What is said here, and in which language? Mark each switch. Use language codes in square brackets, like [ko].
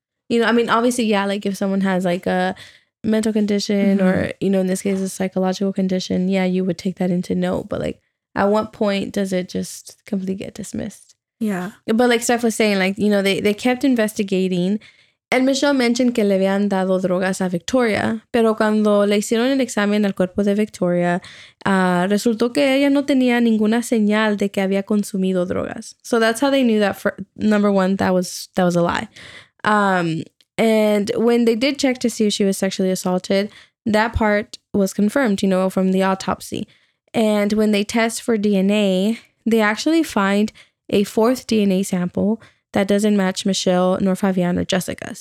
[en] You know, I mean, obviously, yeah, like, if someone has, like, a mental condition or, you know, in this case, a psychological condition, yeah, you would take that into note. But, like, at what point does it just completely get dismissed? Yeah. But, like Steph was saying, like, you know, they kept investigating. And Michelle mentioned [es] que le habían dado drogas a Victoria. Pero cuando le hicieron el examen al cuerpo de Victoria, resultó que ella no tenía ninguna señal de que había consumido drogas. [en] So that's how they knew that, for number one, that was a lie. And when they did check to see if she was sexually assaulted, that part was confirmed, you know, from the autopsy. And when they test for DNA, they actually find a fourth DNA sample that doesn't match Michelle nor Fabian or Jessica.